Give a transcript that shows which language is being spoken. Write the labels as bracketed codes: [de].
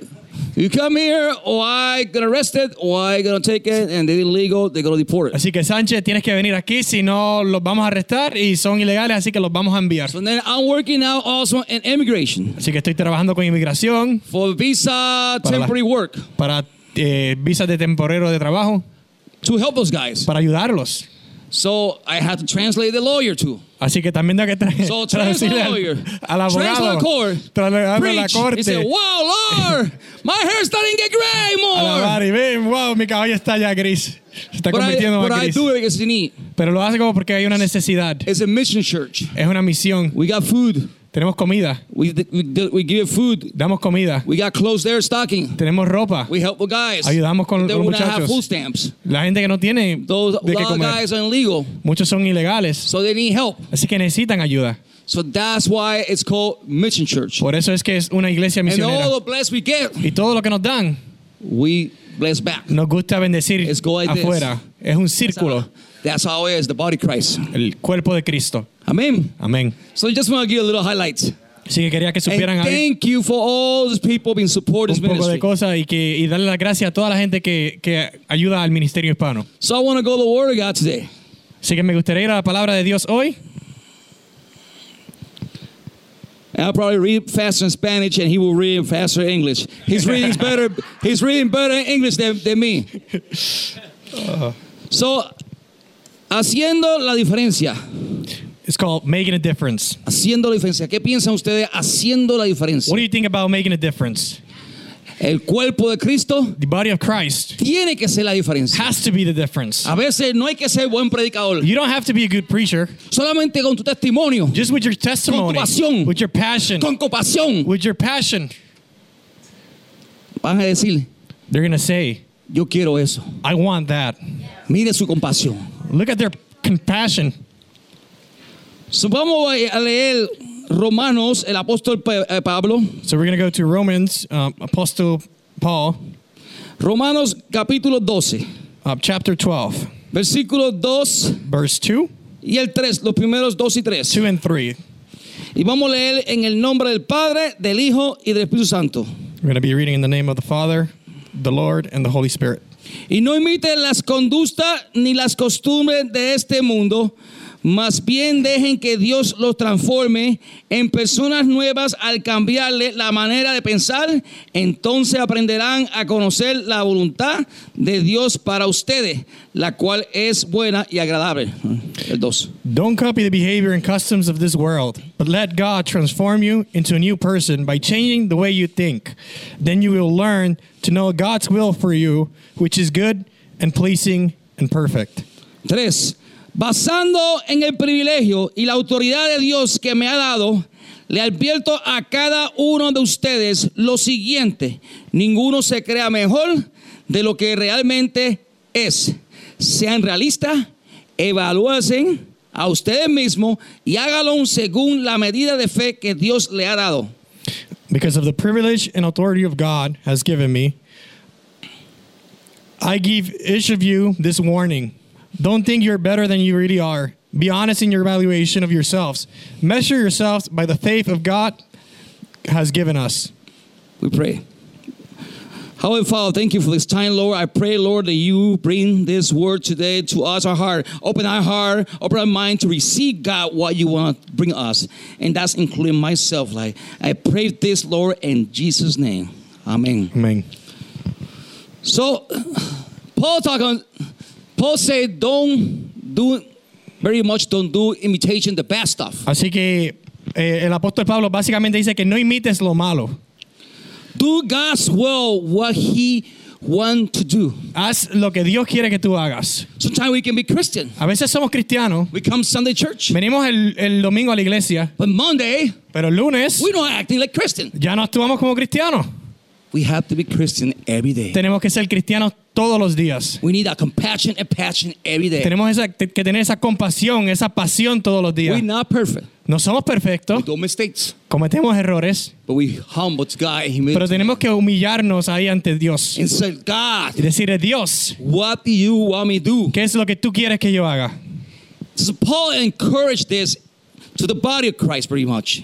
[en] Sanchez, you come here or I get arrested or I gonna take it and they're illegal, they gonna deport it. [es] Así que Sánchez, tienes que venir aquí, si no los vamos a arrestar y son ilegales, así que los vamos a enviar. [en] So then I'm working now also in immigration. [es] Así que estoy trabajando con inmigración. [en] For visa temporary work. [es] Para visas de temporero de trabajo. [en] To help those guys. [es] Para ayudarlos. [en] So I had to translate the lawyer too. [es] Así que también tengo que traducirle al abogado. [en] Translate the court. Preach. He said, wow, Lord, my hair is starting to get gray more. [es] Wow, mi cabello está ya gris. Se está convirtiendo en gris. [en] But I do it because you need. [es] Pero lo hago porque hay una necesidad. [en] It's a mission church. [es] Es una misión. [en] We got food. [es] Tenemos comida. [en] We give food. [es] Damos comida. [en] We got clothes there stocking. [es] Tenemos ropa. [en] We help the guys. [es] Ayudamos con [en] they [es] los muchachos. [en] Have food stamps. [es] La gente que no tiene [en] those, [es] de qué comer. [en] Guys are illegal. [es] Muchos son ilegales. [en] So they need help. [es] Así que necesitan ayuda. [en] So that's why it's called Mission Church. [es] Por eso es que es una iglesia misionera. [en] And all the blessings we get. [es] Y todo lo que nos dan. [en] We bless back. [es] Nos gusta bendecir [en] it's go like [es] afuera. [en] This. [es] Es un círculo. [en] That's how it is, the body of Christ. [es] El cuerpo de Cristo. [en] Amen. [es] Amen. [en] So I just want to give you a little highlights. [es] Sí, que quería que supieran [en] and thank you for all those people being supporting this ministry. [es] Un poco de cosa y darle la gracia a toda la gente que ayuda al ministerio hispano. [en] So I want to go to the Word of God today. [es] Así que me gustaría ir a la palabra de Dios hoy. [en] And I'll probably read faster in Spanish and he will read faster in English. He's reading better in English than me. [es] So, haciendo la diferencia. [en] It's called making a difference. [es] Haciendo la diferencia. ¿Qué piensan ustedes haciendo la diferencia? [en] What do you think about making a difference? [es] El cuerpo de Cristo. [en] The body of Christ. [es] Tiene que ser la diferencia. [en] Has to be the difference. [es] A veces no hay que ser buen predicador. [en] You don't have to be a good preacher. [es] Solamente con tu testimonio. [en] Just with your testimony. [es] Con compasión. [en] With your passion. [es] Con compasión. [en] With your passion. [es] Van a decir. [en] They're going to say. [es] Yo quiero eso. [en] I want that. Yes. [es] Mire su compasión. [en] Look at their compassion. [es] So vamos a leer Romanos, el apóstol Pablo. [en] So we're going to go to Romans, Apostle Paul. [es] Romanos, capítulo 12. [en] Chapter 12. [es] Versículo 2. [en] Verse 2. [es] Y el 3, los primeros 2 y 3. [en] 2 and 3. [es] Y vamos a leer en el nombre del Padre, del Hijo y del Espíritu Santo. [en] We're going to be reading in the name of the Father, the Lord, and the Holy Spirit. [es] Y no imiten las conductas ni las costumbres de este mundo, más bien dejen que Dios los transforme en personas nuevas al cambiarle la manera de pensar. Entonces aprenderán a conocer la voluntad de Dios para ustedes, la cual es buena y agradable. El dos. [en] Don't copy the behavior and customs of this world, but let God transform you into a new person by changing the way you think. Then you will learn to know God's will for you, which is good and pleasing and perfect. [es] Tres. Basando en el privilegio y la autoridad de Dios que me ha dado, le advierto a cada uno de ustedes lo siguiente. Ninguno se crea mejor de lo que realmente es. Sean realistas, evalúense a ustedes mismos y hágalo según la medida de fe que Dios le ha dado. [en] Because of the privilege and authority of God has given me, I give each of you this warning. Don't think you're better than you really are. Be honest in your evaluation of yourselves. Measure yourselves by the faith of God has given us. We pray. Heavenly Father, thank you for this time, Lord. I pray, Lord, that you bring this word today to us, our heart. Open our heart, open our mind to receive, God, what you want to bring us. And that's including myself. Like, I pray this, Lord, in Jesus' name. Amen. Amen. So, Paul said, don't do imitation the bad stuff. [es] Así que el apóstol Pablo básicamente dice que no imites lo malo. [en] Do God's will what he wants to do. [es] Haz lo que Dios quiere que tú hagas. [en] Sometimes we can be Christian. [es] A veces somos cristianos. [en] We come Sunday church. [es] Venimos el domingo a la iglesia. [en] But Monday. [es] Pero el lunes. [en] We don't act like Christian. [es] Ya no actuamos como cristianos. [en] We have to be Christian every day. [es] Tenemos que ser cristianos todos los días. [en] We need a compassion and passion every day. [es] Tenemos que tener esa compasión, esa pasión todos los días. [en] We're not perfect. [es] No somos perfectos. [en] We do mistakes. [es] Cometemos errores. [en] But we humble to God and humility. [es] Pero tenemos que humillarnos ahí ante Dios. [en] And say, God, [es] y decirle, Dios, [en] what do you want me to do? [es] ¿Qué es lo que tú quieres que yo haga? [en] So Paul encouraged this to the body of Christ pretty much.